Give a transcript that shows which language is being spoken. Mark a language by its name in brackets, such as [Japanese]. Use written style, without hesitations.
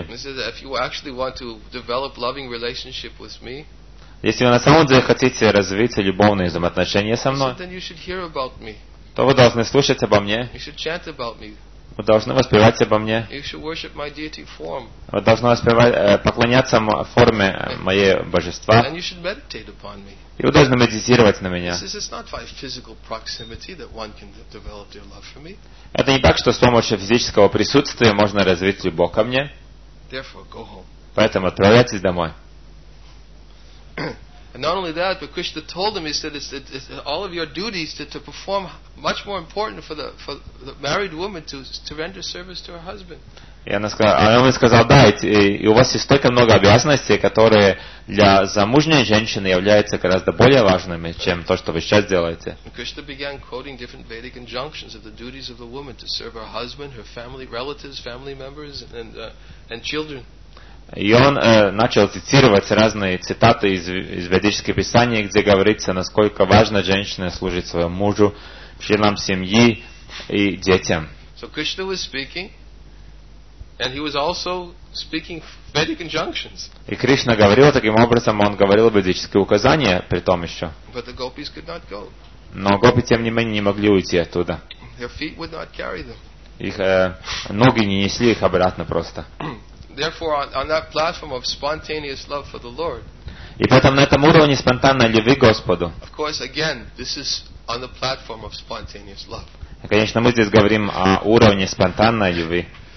[English] He said, "If you actually want to develop loving relationship with me," [Russian] если вы на самом деле хотите развить любовные взаимоотношения со мной, [English] he said, "then you should hear about me." [Russian] То вы должны слушать обо мне. [English] You should chant about me. [Russian] Вы должны воспевать обо мне. [English] You should worship my deity form. [Russian] Вы должны поклоняться форме моей божества. [English] And you should meditate upon me. [Russian] И вы должны медитировать на меня. [English] This is not by physical proximity that one can develop their love for me. [Russian] Это не так, что с помощью физического присутствия можно развить любовь ко мне. [English] Therefore, go home. [Russian] Поэтому отправляйтесь домой. [English] And not only that, but Krishna told him, he said, it's all of your duties to perform much more important for the married woman to render service to her husband. [Russian] И она сказала, а он сказал: "Да, и у вас есть столько много обязанностей, которые для замужней женщины являются гораздо более важными, чем то, что вы сейчас делаете." [English] Krishna began quoting different Vedic injunctions of the duties of the woman to serve her husband, her family, relatives, family members, and children. [Russian] И он начал цитировать разные цитаты из ведических писаний, где говорится, насколько важно женщине служить своему мужу, членам семьи и детям. [English] So Krishna was speaking, and he was also speaking Vedic injunctions. [Russian] И Кришна говорил таким образом, он говорил ведические указания, при том еще. [English] But the gopis could not go. [Russian] Но гопи, тем не менее, не могли уйти оттуда. [English] Their feet would not carry them. [Russian] Их ноги не несли их обратно просто. [English] Therefore, on that platform of spontaneous love for the Lord. [Russian] И поэтому на этом уровне спонтанной любви к Господу. [English] Of course, again, this is on the platform of spontaneous love. [Russian] Конечно, мы здесь говорим о уровне спонтанной любви.